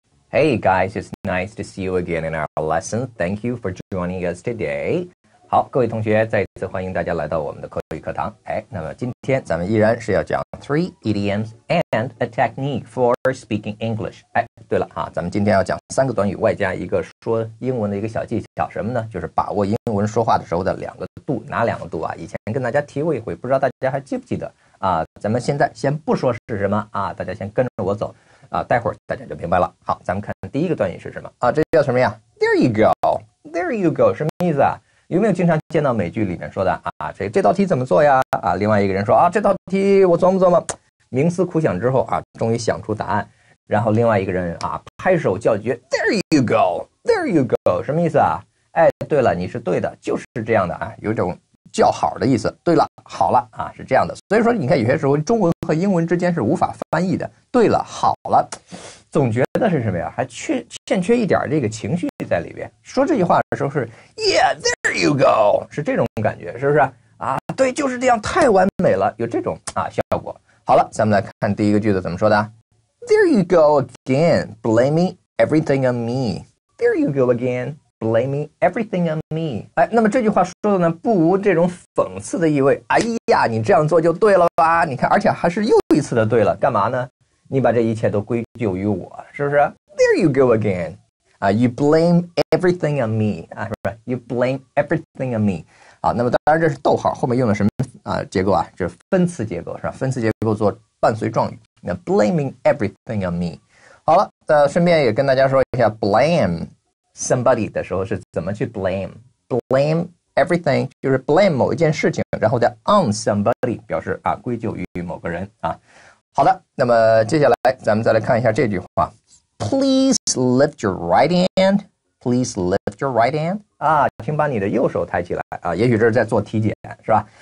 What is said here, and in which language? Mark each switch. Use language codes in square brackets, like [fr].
[en] Hey guys, it's nice to see you again in our lesson. Thank you for joining us today. [zh] 好，各位同学，再次欢迎大家来到我们的口语课堂。哎，那么今天咱们依然是要讲 [en] three idioms and a technique for speaking English. [zh] 哎，对了哈，咱们今天要讲三个短语，外加一个说英文的一个小技巧，什么呢？就是把握英文说话的时候的两个度，哪两个度啊？以前跟大家提过一回，不知道大家还记不记得啊？咱们现在先不说是什么啊，大家先跟着我走。啊，待会儿大家就明白了。好，咱们看第一个段语是什么啊？这叫什么呀 ？ [en] There you go, there you go， [zh] 什么意思啊？有没有经常见到美剧里面说的啊？这道题怎么做呀？啊，另外一个人说啊，这道题我琢磨琢磨，冥思苦想之后啊，终于想出答案。然后另外一个人啊，拍手叫绝 ， [en] There you go, there you go， [zh] 什么意思啊？哎，对了，你是对的，就是这样的啊，有种叫好的意思。对了，好了啊，是这样的。所以说，你看有些时候中文和英文之间是无法翻译的。对了，好了，总觉得是什么呀？还欠缺一点这个情绪在里边。说这句话的时候是 [en] Yeah, there you go， [zh] 是这种感觉，是不是？啊，对，就是这样，太完美了，有这种啊效果。好了，咱们来看第一个句子怎么说的 [en] ？There you go again, blaming everything on me. There you go again. Blaming everything on me. [zh] 哎，那么这句话说的呢，不无这种讽刺的意味。哎呀，你这样做就对了吧？你看，而且还是又一次的对了。干嘛呢？你把这一切都归咎于我，是不是 ？ [en] There you go again. 啊 ，You blame everything on me. 啊，是不是 ？You blame everything on me. [zh] 啊，那么当然这是逗号，后面用的什么啊结构啊？就是分词结构，是吧？分词结构做伴随状语。 [en] 那 blaming everything on me. [zh] 好了，顺便也跟大家说一下 blame. Somebody 的时候是怎么去 blame everything， 就是 blame 某一件事情，然后再 on somebody 表示啊归咎于某个人啊。好的，那么接下来咱们再来看一下这句话 ， [en] Please lift your right hand， [zh] please lift your right hand， 啊，请把你的右手抬起来啊，也许这是在做体检是吧？